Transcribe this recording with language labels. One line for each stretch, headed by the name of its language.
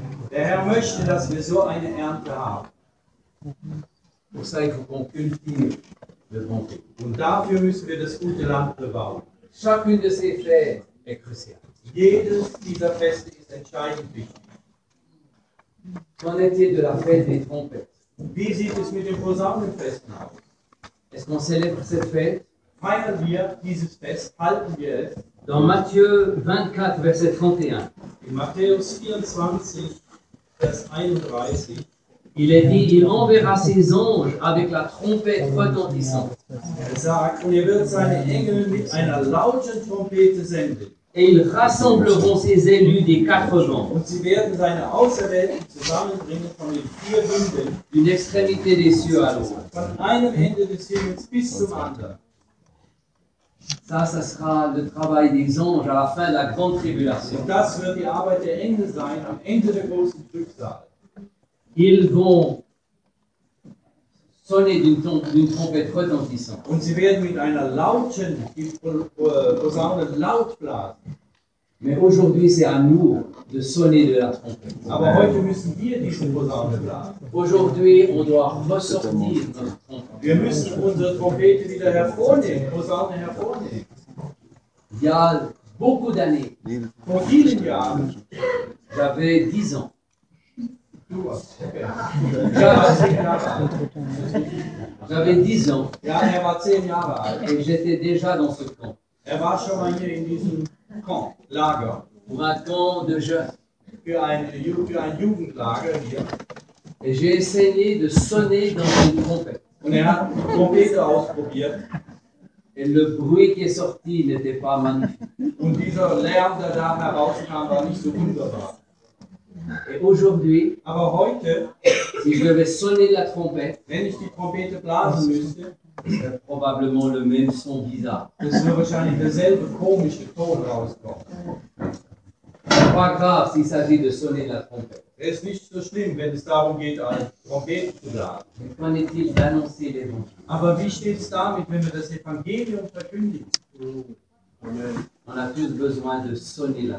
German: Der Herr möchte, dass wir so eine Ernte haben.
French: Pour ça, il faut qu'on cultive le bon pays.
German: Und dafür müssen wir das gute Land bebauen.
French: Chacune de ces fêtes est cruciale.
German: Jedes dieser Feste ist entscheidend wichtig.
French: Qu'en est-il de la fête des trompettes?
German: Wie sieht es mit dem Posaunenfest aus?
French: Est-ce qu'on célèbre cette fête?
German: Feiern wir dieses Fest? Halten wir es?
French: Dans Matthieu 24, verset 31.
German: In Matthäus 24, vers 31.
French: Il est dit, il enverra ses anges avec la trompette retentissante.
German: Er sagt, und er wird seine Engel mit einer lauten Trompete senden.
French: Et ils rassembleront ses élus des quatre vents.
German: Und sie werden seine Auserwählten zusammenbringen von den vier Winden.
French: D'une extrémité des cieux à l'autre.
German: Von einem Ende des Himmels bis zum anderen.
French: Ça, ça sera le travail des anges à la fin de la grande tribulation.
German: Und das wird die Arbeit der Engel sein am Ende der großen Trübsal.
French: Ils vont sonner d'une trompette retentissante.
German: Und sie werden mit einer lauten Posaune laut blasen.
French: Mais aujourd'hui, c'est à nous de sonner de la trompette.
German: Aber heute müssen wir diese Posaune blasen.
French: Aujourd'hui, on doit ressortir notre trompette.
German: Wir müssen unsere Trompete wieder hervornehmen, Posaune hervornehmen.
French: Il y a beaucoup d'années.
German: Vor vielen Jahren.
French: J'avais 10 ans. J'avais 10 ans.
German: Ja, er war 10 Jahre alt.
French: Et j'étais déjà dans ce camp.
German: Er war schon mal hier in diesem Camp, Lager.
French: Pour un camp de jeunes.
German: Für ein Jugendlager hier.
French: Et j'ai essayé de sonner dans une trompette.
German: Und er hat die Trompete ausprobiert.
French: Et le bruit qui est sorti n'était pas magnifique.
German: Und dieser Lärm, der da herauskam, war nicht so wunderbar.
French: Et aujourd'hui,
German: aber heute,
French: si je devais sonner la trompette,
German: wenn ich die Trompete blasen müsste,
French: c'est probablement le même son bizarre.
German: Es wird wahrscheinlich derselbe komische Ton rauskommen.
French: Pas grave s'il s'agit de sonner la trompette.
German: Es ist nicht so schlimm, wenn es darum geht, eine Trompete zu blasen.
French: Qu'en est-il d'annoncer l'évangile?
German: Aber wie steht es damit, wenn wir das Evangelium verkündigen?
French: On a tous besoin de sonner la